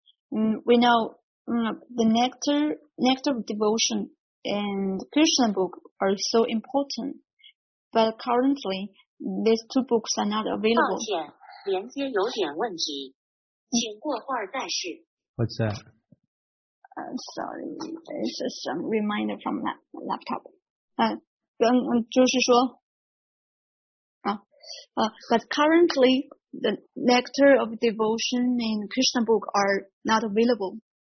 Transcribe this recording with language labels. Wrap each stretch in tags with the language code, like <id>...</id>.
<en>We know the Nectar of Devotion and Krishna book are so important, but currently,These two books are not available.</en> <zh>抱歉，连接有点问题，请过会儿再试。</zh> <en>What's that? Sorry, it's just a reminder from that laptop. But currently, the Nectar of Devotion and Krishna book are not available.</en>